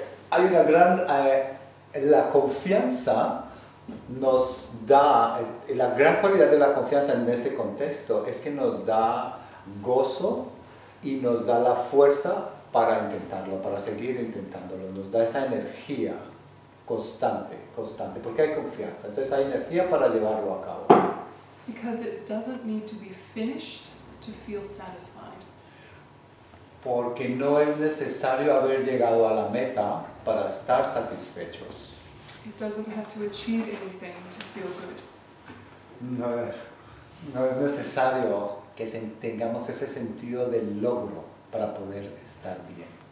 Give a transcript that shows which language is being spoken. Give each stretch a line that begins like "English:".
Spanish: hay una gran la confianza nos da, la gran cualidad de la confianza en este contexto es que nos da gozo y nos da la fuerza para intentarlo, para seguir intentándolo, nos da esa energía constante, porque hay confianza, entonces hay energía para llevarlo a cabo.
English: Because it doesn't need to be finished to feel satisfied.
Spanish: Porque no es necesario haber llegado a la meta para estar satisfechos.
English: It doesn't have to achieve anything to feel good.
Spanish: No es necesario que tengamos ese sentido del logro para poder estar bien.